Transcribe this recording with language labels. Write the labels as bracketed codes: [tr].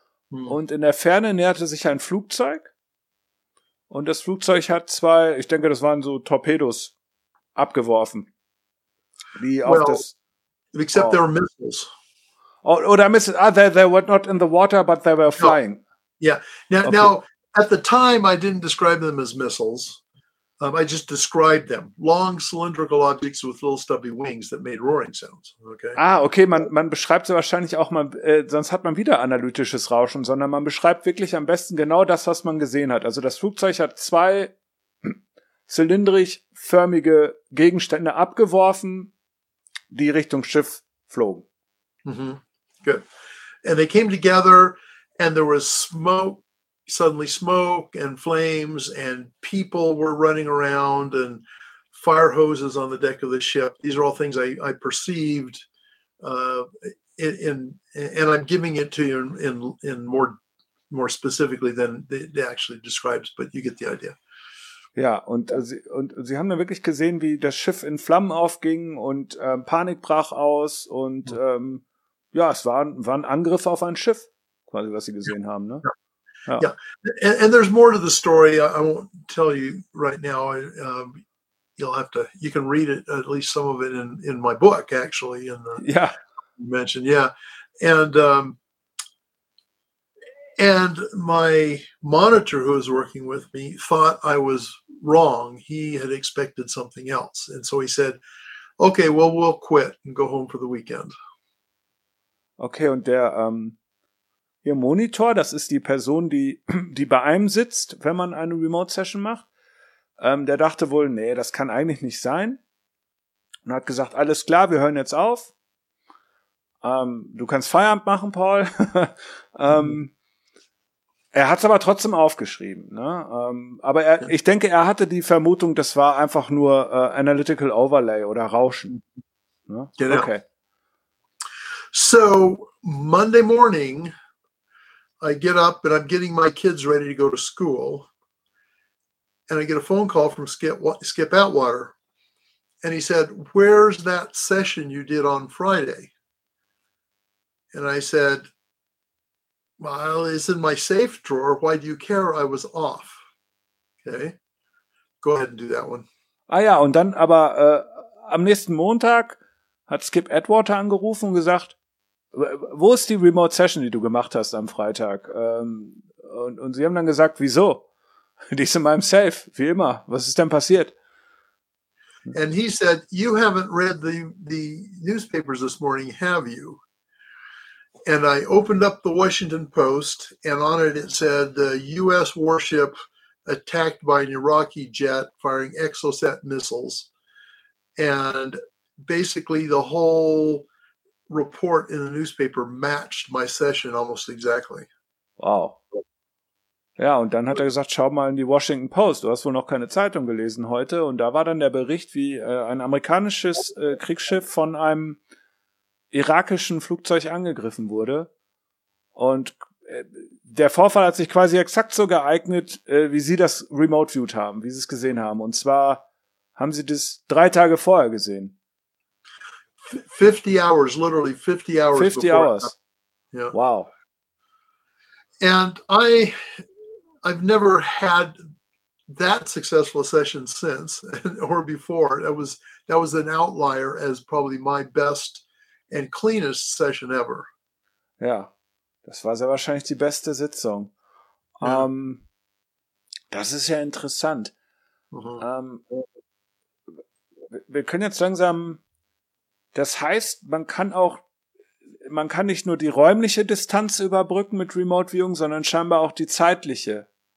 [de] Und in der Ferne näherte sich ein Flugzeug. Und das Flugzeug hat zwei, ich denke, das waren so Torpedos abgeworfen. Wie auf [en] well, [de] das. [en] Except oh. there are missiles. [de] Oh, oder missiles. [en] Ah, they were not in the water, but they were flying. No. Yeah. Now, okay. Now, at the time, I didn't describe them as missiles. I just described them. Long cylindrical objects with little stubby wings that made roaring sounds. Okay. [de] Ah, okay, man beschreibt sie wahrscheinlich auch mal, sonst hat man wieder analytisches Rauschen, sondern man beschreibt wirklich am besten genau das, was man gesehen hat. Also das Flugzeug hat zwei zylindrisch-förmige Gegenstände abgeworfen, die Richtung Schiff flogen. [en] Mm-hmm. Good. And they came together and there was smoke. Suddenly smoke and flames and people were running around and fire hoses on the deck of the ship. These are all things I perceived and I'm giving it to you in more specifically than they actually describes, but you get the idea. [de] Ja, und sie haben dann wirklich gesehen, wie das Schiff in Flammen aufging und Panik brach aus und es waren Angriffe auf ein Schiff, quasi, was sie gesehen haben, ne? [en] Ja. Oh. Yeah, and there's more to the story. I won't tell you right now. You can read it, at least some of it in my book, actually. You mentioned, yeah. And my monitor who was working with me thought I was wrong. He had expected something else. And so he said, okay, well, we'll quit and go home for the weekend. [de] Okay, und der... Ihr Monitor, das ist die Person, die bei einem sitzt, wenn man eine Remote-Session macht, der dachte wohl, nee, das kann eigentlich nicht sein. Und hat gesagt, alles klar, wir hören jetzt auf. Du kannst Feierabend machen, Paul. Er hat es aber trotzdem aufgeschrieben. Ne? Ich denke, er hatte die Vermutung, das war einfach nur Analytical Overlay oder Rauschen. Ne? Genau. [en] Okay. So, Monday morning... I get up and I'm getting my kids ready to go to school. And I get a phone call from Skip Atwater. And he said, where's that session you did on Friday? And I said, well, it's in my safe drawer. Why do you care? I was off. Okay. Go ahead and do that one. [de] Ah ja, und dann aber am nächsten Montag hat Skip Atwater angerufen und gesagt, wo ist die Remote Session, die du gemacht hast am Freitag? Und sie haben dann gesagt, wieso? Die ist in meinem Safe, wie immer. Was ist denn passiert? [en] And he said, you haven't read the newspapers this morning, have you? And I opened up the Washington Post and on it said, the U.S. warship attacked by an Iraqi jet firing Exocet missiles. And basically the whole report in the newspaper matched my session almost exactly. Wow. [de] Ja, und dann hat er gesagt, schau mal in die Washington Post. Du hast wohl noch keine Zeitung gelesen heute. Und da war dann der Bericht, wie ein amerikanisches Kriegsschiff von einem irakischen Flugzeug angegriffen wurde. Und der Vorfall hat sich quasi exakt so geeignet, wie Sie das remote-viewed haben, wie Sie es gesehen haben. Und zwar haben Sie das 3 Tage vorher gesehen. [en] 50 hours. 50 hours. Yeah. Wow. And I've never had that successful a session since or before. That was an outlier as probably my best and cleanest session ever. [de] Ja, das war sehr wahrscheinlich die beste Sitzung. Yeah. Das ist ja interessant. Uh-huh. Wir können jetzt langsam. Das heißt, man kann nicht nur die räumliche Distanz überbrücken mit Remote Viewing, sondern scheinbar auch die zeitliche.